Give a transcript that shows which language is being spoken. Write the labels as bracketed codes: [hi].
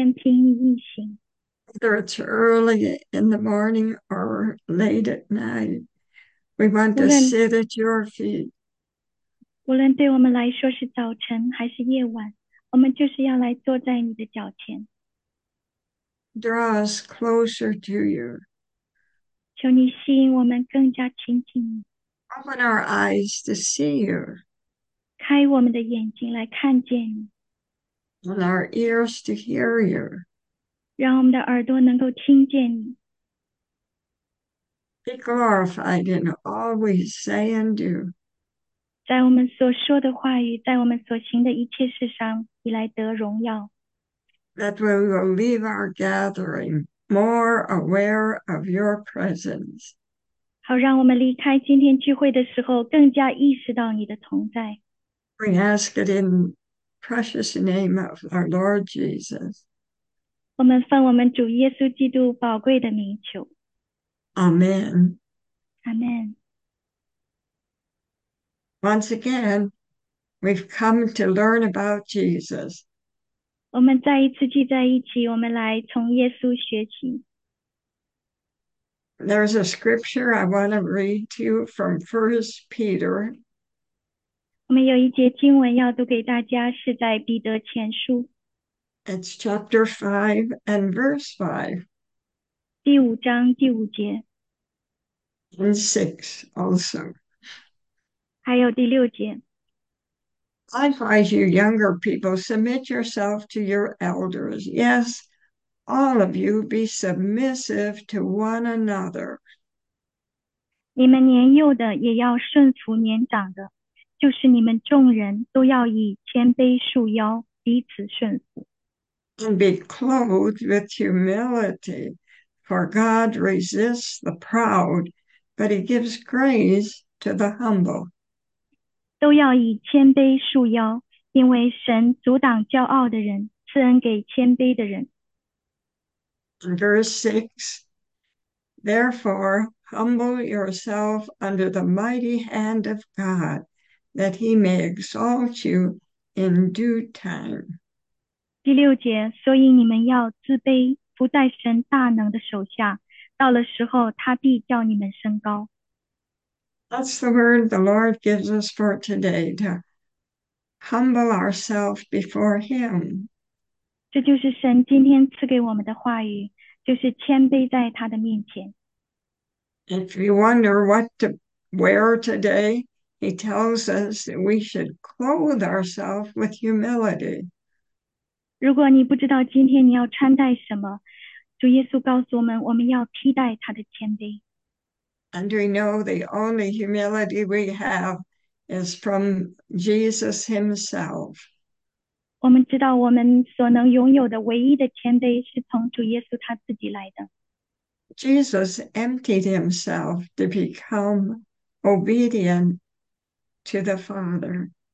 [en] Whether it's early in the morning or late at night, we want to sit at your feet. [zh] 无论对我们来说是早晨还是夜晚，我们就是要来坐在你的脚前。 [en] Draw us closer to you. [zh] 求你吸引我们更加亲近你。 [en] Open our eyes to see you. [zh] 开我们的眼睛来看见你。 [en] And our ears to hear you. [zh] 让我们的耳朵能够听见你。 [en] Be glorified in all we say and do. [zh] 在我们所说的话语，在我们所行的一切事上，你来得荣耀。 [en] That we will leave our gathering more aware of your presence. [zh] 好，让我们离开今天聚会的时候，更加意识到你的同在。 [en] We ask it in precious name of our Lord Jesus. [zh] 我们奉我们主耶稣基督宝贵的名求。 [en] Amen. Amen. Once again, we've come to learn about Jesus. [zh] 我们再一次聚在一起，我们来从耶稣学习。 [en] There's a scripture I want to read to you from 1 Peter. [zh] 我们有一节经文要读给大家，是在彼得前书。 [en] It's chapter 5 and verse 5. [zh] 第5章第5节。 [en] And 6 also. [zh] 还有第六节。 [en] I advise you, younger people, submit yourself to your elders. Yes, all of you, be submissive to one another. [zh] 你们年幼的也要顺服年长的，就是你们众人都要以谦卑束腰，彼此顺服。 [en] And be clothed with humility, for God resists the proud, but he gives grace to the humble. [zh] 都要以谦卑束腰，因为神阻挡骄傲的人，赐恩给谦卑的人。 [en] Verse 6, therefore, humble yourself under the mighty hand of God, that he may exalt you in due time. [zh] 第六节，所以你们要自卑，伏在神大能的手下，到了时候，他必叫你们升高。 [en] That's the word the Lord gives us for today, to humble ourselves before him. [zh] 这就是神今天赐给我们的话语，就是谦卑在他的面前。 [en] If you wonder what to wear today, he tells us that we should clothe ourselves with humility. [zh] 如果你不知道今天你要穿戴什么，主耶稣告诉我们，我们要披戴他的谦卑。 [en] And we know the only humility we have is from Jesus himself. [zh] 我们知道我们所能拥有的唯一的谦卑是从主耶稣他自己来的。 [en] Jesus emptied himself to become obedient to the Father.